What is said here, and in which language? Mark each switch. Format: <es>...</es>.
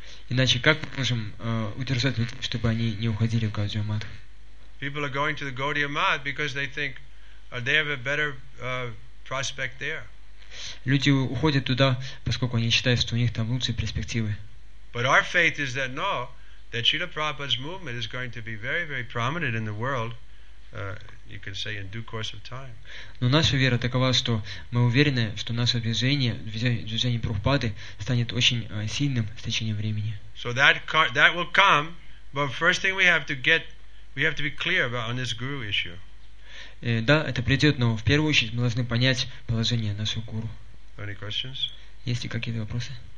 <ru>Иначе как мы можем удержать людей, чтобы они не уходили в Gaudiya Math?</ru> <en>People are going to the Gaudiya Math because they think they have a better prospect there.</en> <ru>Люди уходят туда, поскольку они считают, что у них там лучшие перспективы.</ru> <en>But our faith is that no, that Srila Prabhupada's movement is going to be very, very prominent in the world, you can say, in due course of time.</en> <ru>Но наша вера такова, что мы уверены, что наше движение Прабхупады станет очень сильным с течением времени.</ru> <en>So that will come, but first thing we have to be clear about on this guru issue.</en> <ru>Да, это придет, но в первую очередь мы должны понять положение нашего гуру.</ru> <en>Any questions?</en> <ru>Есть ли какие-то вопросы?</ru>